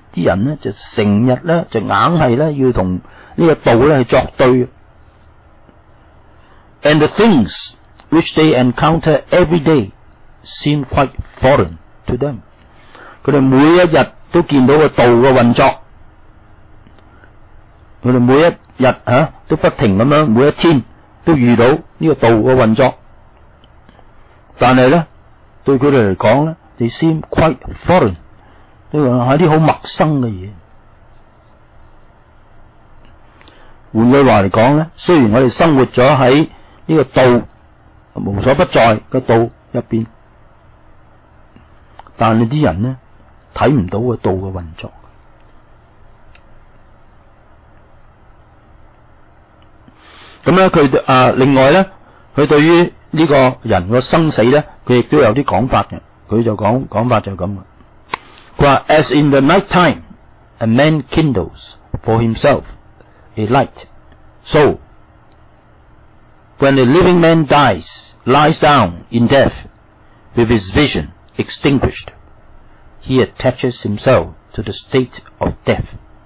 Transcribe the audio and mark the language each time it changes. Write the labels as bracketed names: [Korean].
[Chinese] 那些人呢就成日呢就硬是呢要跟這個道呢去作對。 [English] And the things which they encounter every day seem quite foreign to them。 [Chinese] 他們每一天都見到道的運作，他們每一天都不停地每一天都遇到這個道的運作，但是呢對他們來說呢 [English] they seem quite foreign， [Chinese] 是一些很陌生的東西。換句話來說呢，雖然我們生活了在這個道無所不在的道入面，但是那些人呢看不到道的運作。那他另外呢，他對於這個人的生死呢他也都有些講法的。他就講法就是這樣，他說 [English] As in the night time a man kindles for himself a light， soWhen a living man dies, lies down in death, with his vision extinguished, he attaches himself to the state of death,